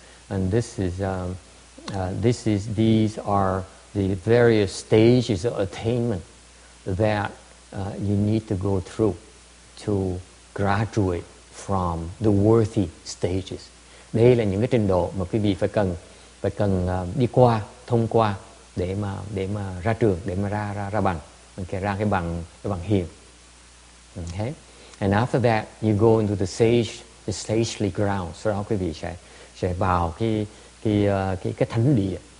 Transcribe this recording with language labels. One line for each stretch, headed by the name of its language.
English: And these are the various stages of attainment that you need to go through to graduate from the worthy stages.
Vietnamese: Đây là những cái trình độ mà quý vị phải cần đi qua, thông qua để mà ra trường, để mà ra bằng, okay, ra cái bằng hiền.
English: Okay. And after that you go into the sagely ground.
Vietnamese: Sau đó quý vị sẽ vào cái thánh địa.